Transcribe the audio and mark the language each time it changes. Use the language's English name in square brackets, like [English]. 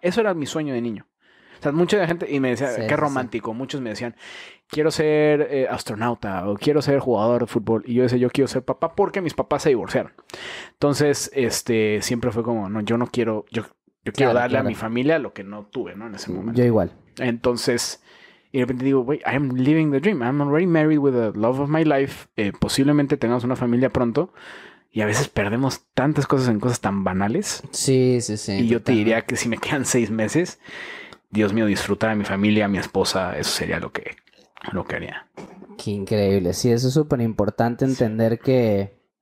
[Spanish] Eso era mi sueño de niño. O sea, mucha gente, y me decía, qué romántico. Sí. Muchos me decían, quiero ser astronauta o quiero ser jugador de fútbol. Y yo decía, yo quiero ser papá porque mis papás se divorciaron. Entonces, siempre fue como, no, yo no quiero, yo, Yo quiero darle a mi familia lo que no tuve, ¿no? En ese momento. Yo igual. Entonces, y de repente digo, [English] wait, I am living the dream. I'm already married with the love of my life. [Spanish] Posiblemente tengamos una familia pronto. Y a veces perdemos tantas cosas en cosas tan banales. Sí, sí, sí. Y yo te diría que si me quedan 6 meses, Dios mío, disfrutar a mi familia, a mi esposa, eso sería lo que haría. Qué increíble. Sí, eso es súper importante entender que...